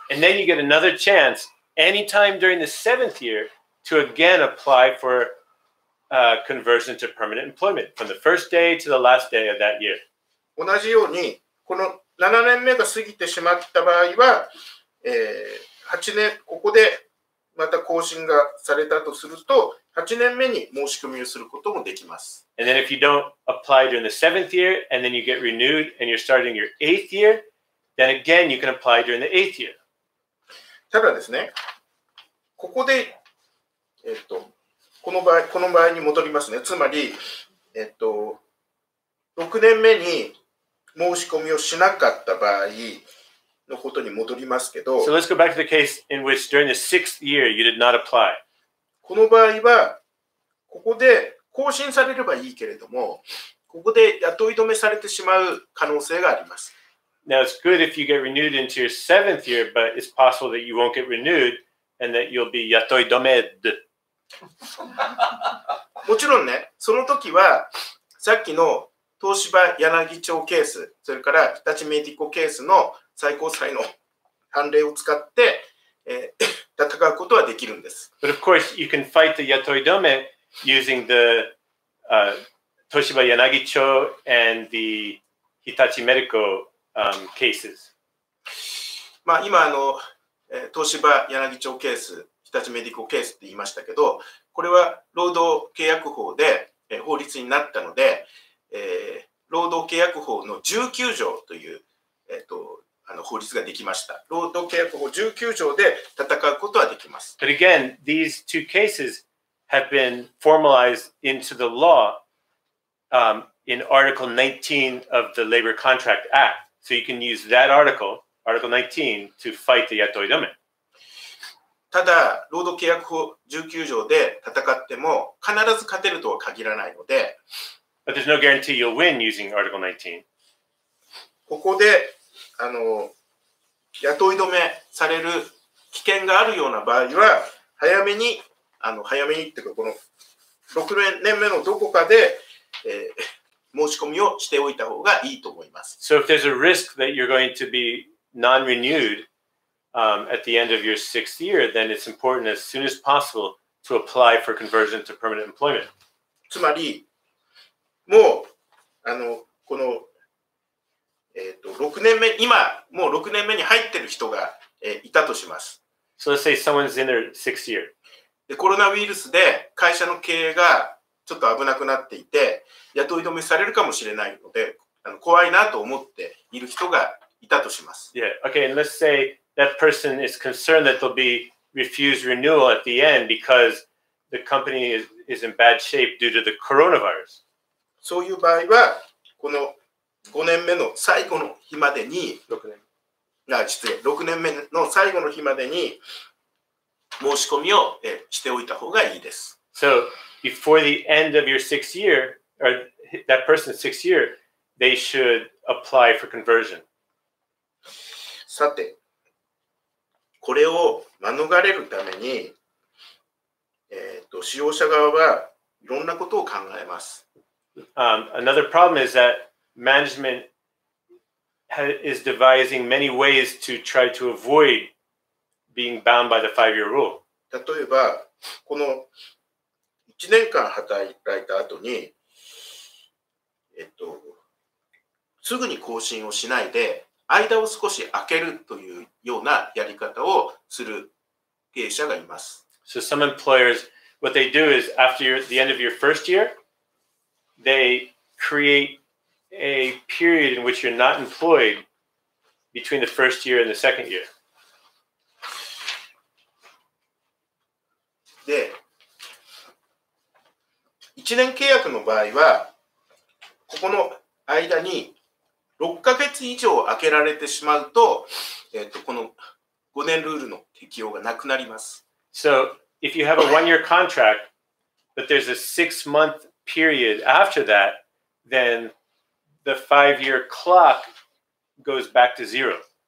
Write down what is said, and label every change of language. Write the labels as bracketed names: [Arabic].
[English] And then you get another chance anytime during the seventh year to again apply for conversion to permanent employment from the first day to the last day of that year. [Japanese] 同じように、この7年目が過ぎてしまった場合は、8年、ここでまた更新がされたとすると、8年目に申し込みをすることもできます。 [English] And then if you don't apply during the seventh year, and then you get renewed, and you're starting your eighth year, then again you can apply during the eighth year. [Japanese] ただですね、ここで、この場合に戻りますね。つまり、6年目に申し込みをしなかった場合、のことに戻りますけど。 [English] So let's go back to the case in which during the sixth year you did not apply. [Japanese] この場合は、ここで更新されればいいけれども、ここで雇い止めされてしまう可能性があります。 [English] Now it's good if you get renewed into your seventh year, but it's possible that you won't get renewed and that you'll be 雇い止め。 [Japanese] もちろんね、その時はさっきの東芝柳町ケース、それから日立メディコケースの最高裁の判例を使って、戦うことはできるんです。 [English] But of course, you can fight the 雇い止め using the、東芝柳町 and the 日立メディコ、cases。 [Japanese] まあ今あの東芝柳町ケース、日立メディコケースって言いましたけど、これは労働契約法で、法律になったので、労働契約法の19条という、あの法律ができました。労働契約法19条で戦うことはできます。 [English] But again, these two cases have been formalized into the law, in Article 19 of the Labor Contract Act. So you can use that article, Article 19, to fight the 雇い止め。 [Japanese] ただ労働契約法19条で戦っても必ず勝てるとは限らないので、 [English] But there's no guarantee you'll win using Article 19. [Japanese] ここであの雇い止めされる危険があるような場合は早めにあの早めにっていうかこの6年目のどこかで、申し込みをしておいた方がいいと思います。 [English] So if there's a risk that you're going to be non-renewed at the end of your sixth year, then it's important as soon as possible to apply for conversion to permanent employment. [Japanese] つまり、もうあのこの、6年目、今もう6年目に入ってる人が、いたとします。 [English] So let's say someone's in their sixth year. [Japanese] で、コロナウイルスで会社の経営がちょっと危なくなっていて、雇い止めされるかもしれないので、あの怖いなと思っている人がいたとします。 [English] Yeah, okay, and let's say that person is concerned that they'll be refused renewal at the end because the company is in bad shape due to the coronavirus. [Japanese] そういう場合は、この5年目の最後の日までに、6年目の最後の日までに申し込みをしておいた方がいいです。 [English] So, before the end of your sixth year, or that person's sixth year, they should apply for conversion. [Japanese] さて、これを免れるために、使用者側はいろんなことを考えます。 [English] Another problem is that management is devising many ways to try to avoid being bound by the five-year rule. [Japanese] 例えば、この1年間働いた後に、すぐに更新をしないで、間を少し空けるというようなやり方をする経営者がいます。 [English] So some employers, what they do is after the end of your first year, they create a period in which you're not employed between the first year and the second year. [Japanese] で、1年契約の場合は、ここの間に6ヶ月以上空けられてしまうと、この5年ルールの適用がなくなります。 [English] So, if you have a one-year contract, but there's a six-month period after that, then the five-year clock goes back to zero.